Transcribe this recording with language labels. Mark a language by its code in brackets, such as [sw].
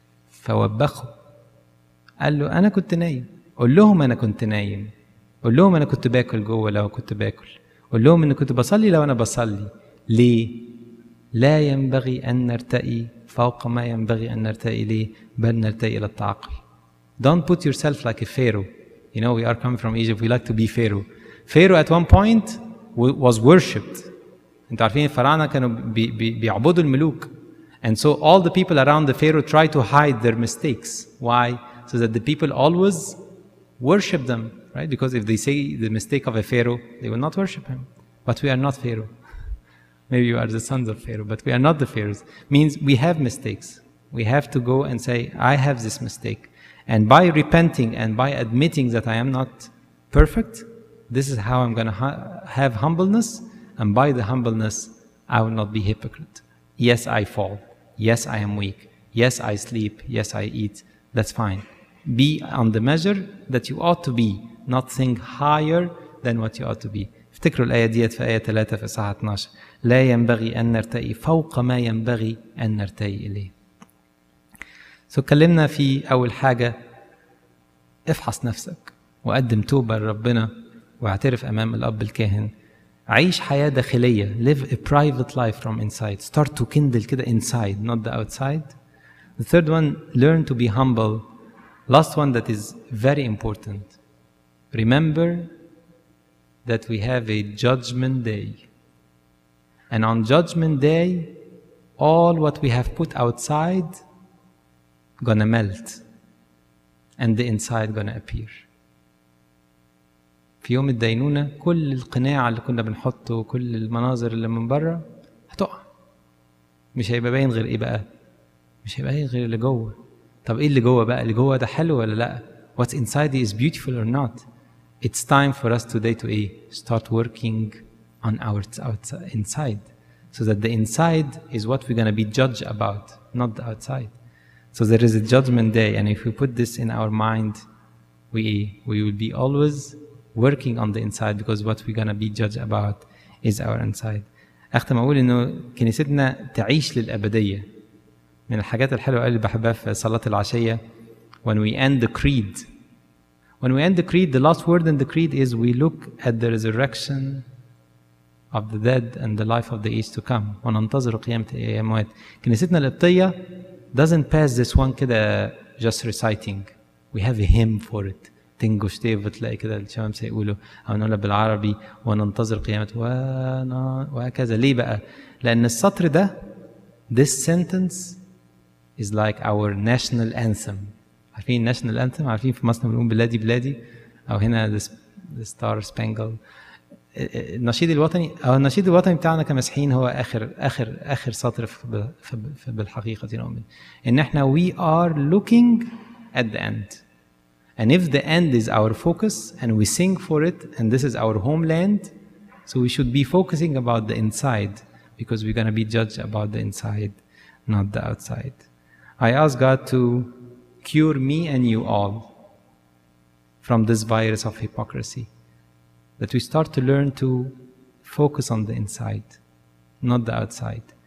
[ar] فوبخه قال له: أنا كنت نايم. قل لهم أنا كنت نايم، قل لهم أنا كنت باكل جوه لو كنت باكل، قل لهم أن كنت بصلي لو أنا بصلي. ليه؟ لا ينبغي أن نرتقي فوق ما ينبغي أن نرتقي ليه، بل نرتقي إلى التعقل. [en] Don't put yourself like a pharaoh. You know, we are coming from Egypt, we like to be pharaoh. Pharaoh at one point was worshipped. [ar] أنت عارفين الفراعنة كانوا بيعبدوا الملوك. [en] And so all the people around the pharaoh try to hide their mistakes. Why? So that the people always worship them, right? Because if they say the mistake of a pharaoh, they will not worship him. But we are not pharaoh. Maybe you are the sons of Pharaoh, but we are not the pharaohs. Means we have mistakes. We have to go and say, I have this mistake. And by repenting and by admitting that I am not perfect, this is how I'm going to have humbleness. And by the humbleness, I will not be hypocrite. Yes, I fall. Yes, I am weak. Yes, I sleep. Yes, I eat. That's fine. Be on the measure that you ought to be, not think higher than what you ought to be. [ar] افتكروا الآية ديت في آية 3 في صحة 12: لا ينبغي أن نرتقي فوق ما ينبغي أن نرتقي إليه. اتكلمنا في أول حاجة: افحص نفسك وقدم توبة لربنا واعترف أمام الأب الكاهن. عيش حياة داخلية. [en] Live a private life from inside. Start to kindle [ar] كده [en] inside, not the outside. The third one: learn to be humble. Last one that is very important: remember that we have a judgment day. And on judgment day, all what we have put outside gonna melt, and the inside gonna appear. [ar] في يوم الدينونة كل القناع اللي كنا بنحطه، كل المناظر اللي من برا هتقع. مش هيبقى باين غير ايه بقى؟ مش هيبقى باين غير اللي جوه. طب ايه اللي جوه بقى؟ اللي جوه ده حلو ولا لا؟ [en] What's inside is beautiful or not? It's time for us today to start working on our inside, so that the inside is what we're going to be judged about, not the outside. So there is a judgment day, and if we put this in our mind, we will be always working on the inside, because what we're going to be judged about is our inside. [ar] أختم أقول إنه كنيستنا تعيش للأبدية. من الحاجات الحلوة اللي بحبها في صلاة العشية: [en] when we end the creed, when we end the creed, the last word in the creed is we look at the resurrection of the dead and the life of the age to come. [ar] وننتظر قيامة الأموات. كنيستنا القبطية [en] doesn't pass this one [ar] كده [en] just reciting. We have a hymn for it. [ar] تنقش تيف بتلاقي كده الشباب سيقوله، أو نقوله بالعربي: وننتظر قيامة وهكذا. ليه بقى؟ لأن السطر ده، [en] this sentence is like our national anthem. [ar] عارفين national anthem؟ عارفين في مصر بنقول بلادي بلادي، أو هنا the star spangled. النشيد الوطني، أو النشيد الوطني بتاعنا كمسيحيين هو آخر سطر في بالحقيقة نؤمن إن إحنا [en] we are looking at the end. And if the end is our focus and we sing for it and this is our homeland, so we should be focusing about the inside, because we're going to be judged about the inside, not the outside. I ask God to cure me and you all from this virus of hypocrisy, that we start to learn to focus on the inside, not the outside.